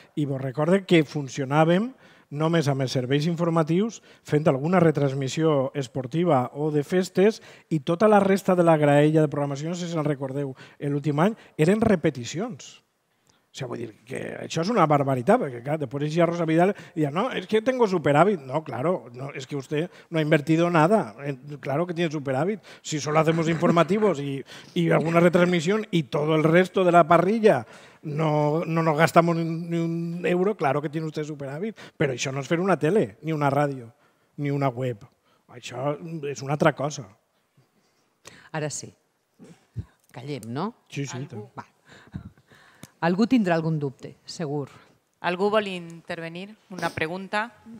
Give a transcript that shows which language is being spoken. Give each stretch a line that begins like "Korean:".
Catalan: I vos recordo que funcionàvem només amb els serveis informatius fent alguna retransmissió esportiva o de festes i tota la resta de la graella de programació, no sé si en recordeu l'últim any, eren repeticions. O sigui, vull dir que això és una barbaritat, perquè clar, després hi ha Rosa Vidal i diu, no, és que
Spanish: tengo
Catalan: superàvit.
Spanish: No, claro, no,
Catalan: és que
Spanish: usted no ha invertido nada. Claro que tiene superàvit. Si solo hacemos informativos y alguna
Catalan: retransmissió i
Spanish: todo el resto de la parrilla no nos gastamos ni un euro, claro que tiene usted superàvit.
Catalan: Però això no és fer una tele, ni una ràdio, ni una web. Això és una altra cosa. Ara sí. Callem, no? Sí. Va. Algú tindrà algun dubte, segur. Algú vol intervenir? Una pregunta?